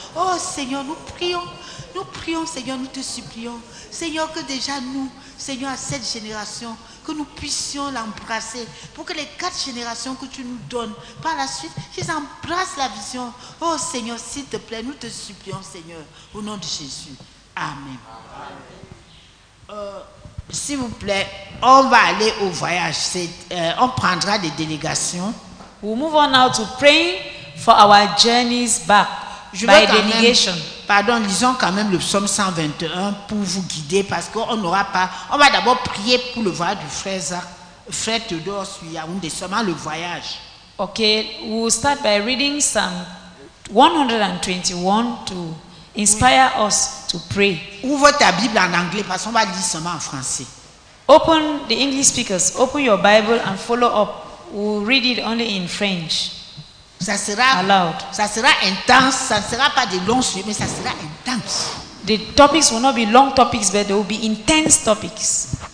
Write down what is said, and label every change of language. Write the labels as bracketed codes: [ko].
[fr] Oh Seigneur, nous prions Seigneur, nous te supplions, Seigneur, que déjà nous, Seigneur, à cette génération, que nous puissions l'embrasser pour que les 4 générations que tu nous donnes par la suite, qu'ils embrassent la vision. Oh Seigneur, s'il te plaît, nous te supplions Seigneur, au nom de Jésus. Amen. S'il vous plaît, on va aller au voyage. On prendra des délégations. [en] We'll move on now to praying for our journeys back. [fr] Je [en] by delegation. [fr] Lisons quand même le psaume 121 pour vous guider parce qu'on n'aura pas. On va d'abord prier pour le voyage du frère Théodore Suyaoundé, seulement le voyage. [en] Ok, we'll start by reading Psalm 121 to. Inspire us to pray. [fr] Ouvre ta Bible en anglais parce qu'on va lire seulement en français. [en] Open the English speakers. Open your Bible and follow up. We'll read it only in French. [fr] Ça sera [en] aloud. [fr] Ça sera intense. Ça ne sera pas des longs sujets, mais ça sera intense. [en] The topics will not be long topics, but they will be intense topics.